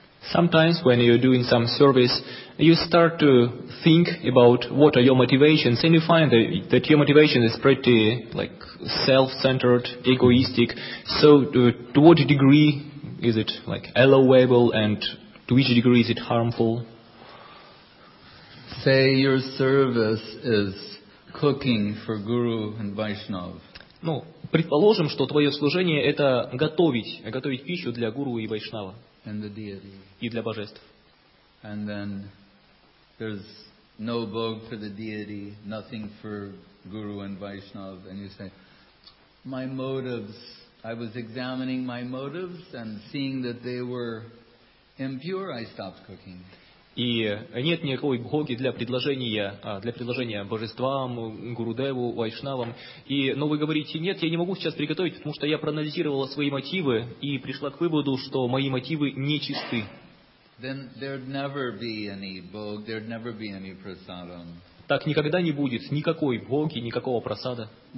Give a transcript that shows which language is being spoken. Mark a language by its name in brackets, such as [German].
[English] Sometimes when you're doing some service, you start to think about what are your motivations, and you find that your motivation is pretty like self-centered, egoistic. So to what degree is it like allowable, and to which degree is it harmful? Say your service is cooking for Guru and Vaishnav. [Russian] Ну, предположим, что твое служение – это готовить пищу для Гуру и Вайшнава. [English] And the deity. [Russian] И для божеств. [English] And then there's no bhog for the deity, nothing for Guru and Vaishnav. And you say, my motives, I was examining my motives and seeing that they were impure, I stopped cooking. [Russian] И нет никакой бхоги для предложения божествам, Гурудеву, Вайшнавам. Но вы говорите, нет, я не могу сейчас приготовить, потому что я проанализировала свои мотивы и пришла к выводу, что мои мотивы не чисты. Так никогда не будет никакой бхоги, никакого прасада.